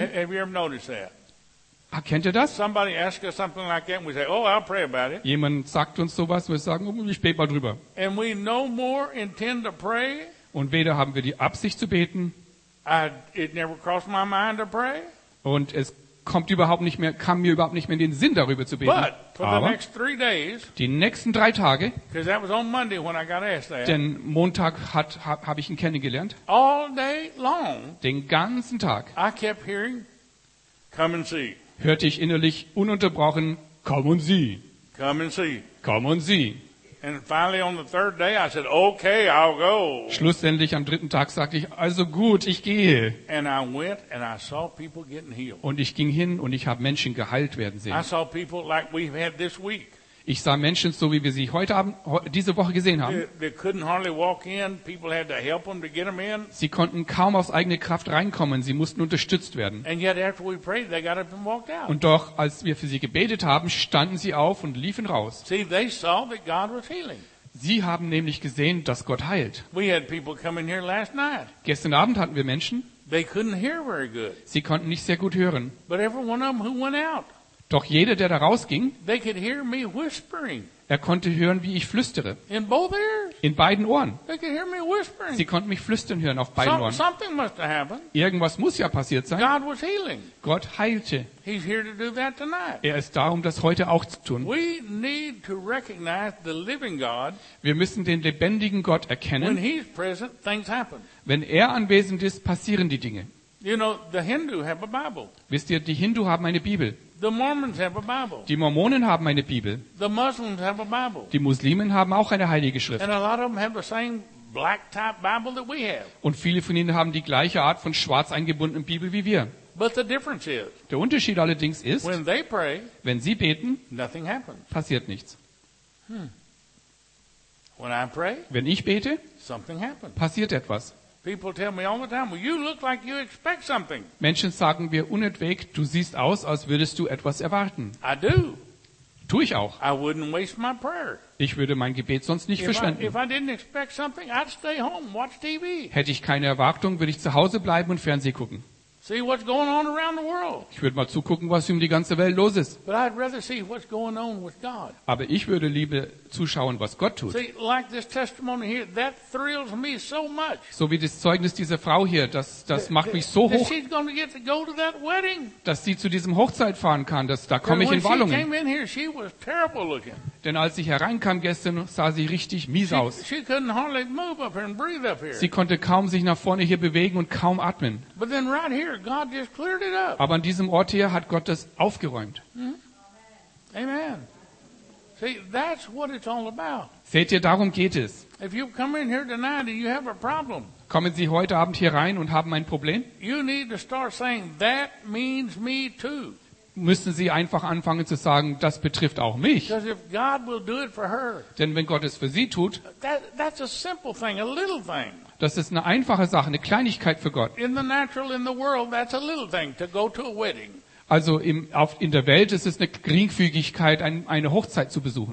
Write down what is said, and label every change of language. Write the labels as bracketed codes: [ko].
[en] Have you ever noticed that? [de] Erkennt ihr das? [en] Somebody asks us something like that, and we say, "Oh, I'll pray about it." [de] Jemand sagt uns sowas, wir sagen, oh, ich bete mal drüber. [en] And we no more intend to pray. [de] Und weder haben wir die Absicht zu beten. [en] It never crossed my mind to pray. [de] Und es kam mir überhaupt nicht mehr in den Sinn, darüber zu beten. Aber die nächsten drei Tage, [en] that was on Monday when I got asked that, [de] denn Montag habe ich ihn kennengelernt, [en] all day long, [de] den ganzen Tag, [en] I kept hearing, come and see. [de] Hörte ich innerlich ununterbrochen, komm und sieh. [en] Come and see. [de] Komm und sieh. [en] And finally on the third day I said, okay, I'll go. [de] Schlussendlich am dritten Tag sagte ich, also gut, ich gehe. [en] And I went and I saw people getting healed. [de] Und ich ging hin und ich habe Menschen geheilt werden sehen. [en] I saw people like we've had this week. [de] Ich sah Menschen so, wie wir sie heute Abend, diese Woche gesehen haben. [en] They couldn't hardly walk in. People had to help them to get them in. [de] Sie konnten kaum aus eigener Kraft reinkommen. Sie mussten unterstützt werden. [en] And yet after we prayed, they got up and walked out. [de] Und doch, als wir für sie gebetet haben, standen sie auf und liefen raus. [en] See, they saw that God was healing. [de] Sie haben nämlich gesehen, dass Gott heilt. [en] We had people come in here last night. [de] Gestern Abend hatten wir Menschen. [en] They couldn't hear very good. [de] Sie konnten nicht sehr gut hören. [en] But every one of them who went out, [de] doch jeder, der da rausging, [en] they could hear me whispering. [de] Er konnte hören, wie ich flüstere. [en] In both ears. [de] In beiden Ohren. [en] They could hear me whispering. [de] Sie konnten mich flüstern hören auf beiden Ohren. [en] Something must have happened. [de] Irgendwas muss ja passiert sein. [en] God was healing. [de] Gott heilte. [en] He's here to do that tonight. [de] Er ist da, um das heute auch zu tun. [en] We need to recognize the living God. [de] Wir müssen den lebendigen Gott erkennen. [en] When he's present, things happen. [de] Wenn er anwesend ist, passieren die Dinge. [en] You know, the Hindu have a Bible. [de] Wisst ihr, die Hindu haben eine Bibel. [en] The Mormons have a Bible. [de] Die Mormonen haben eine Bibel. [en] The Muslims have a Bible. [de] Die Muslimen haben auch eine Heilige Schrift. [en] And a lot of them have the same black type Bible that we have. [de] Und viele von ihnen haben die gleiche Art von schwarz eingebundenen Bibel wie wir. [en] But the difference is, [de] der Unterschied allerdings ist, [en] when they pray, [de] wenn sie beten, [en] nothing happens. [de] Passiert nichts. [en] Hmm. When I pray, [de] wenn ich bete, [en] something happens. [de] Passiert etwas. [en] People tell me all the time, well, you look like you expect something. [de] Menschen sagen mir unentwegt, du siehst aus, als würdest du etwas erwarten. [en] I do. [de] Tue ich auch. [en] I wouldn't waste my prayer. [de] Ich würde mein Gebet sonst nicht verschwenden. [en] If I didn't expect something, I'd stay home, watch TV. [de] Hätte ich keine Erwartung, würde ich zu Hause bleiben und Fernsehen gucken. [en] See what's going on around the world. [de] Ich würde mal zugucken, was um die ganze Welt los ist. [en] But I'd rather see what's going on with God. [de] Aber ich würde lieber zuschauen, was Gott tut. [en] See, like this testimony here, that thrills me so much. [de] So wie das Zeugnis dieser Frau hier, das macht mich so hoch. [en] She's going to get to go to that wedding. [de] Dass sie zu diesem Hochzeit fahren kann, da komme ich in Wallungen. [en] She came in here, she was terrible looking. [de] Denn als ich hereinkam gestern, sah sie richtig mies aus. [en] She couldn't hardly move up here and breathe up here. [de] Sie konnte kaum sich nach vorne hier bewegen und kaum atmen. [en] But then right here, God just cleared it up. [de] Aber an diesem Ort hier hat Gott das aufgeräumt. Mm-hmm. Amen. [en] See, that's what it's all about. [de] Seht ihr, darum geht es. [en] If you come in here tonight and you have a problem, [de] kommen Sie heute Abend hier rein und haben ein Problem? [en] You need to start saying, that means me too. [de] Müssen Sie einfach anfangen zu sagen, das betrifft auch mich. [en] Because if God will do it for her, [de] denn wenn Gott es für sie tut, [en] that's a simple thing, a little thing. [de] Das ist eine einfache Sache, eine Kleinigkeit für Gott. [en] In the natural, in the world, that's a little thing to go to a wedding. [de] Also in der Welt ist es eine Geringfügigkeit, eine Hochzeit zu besuchen.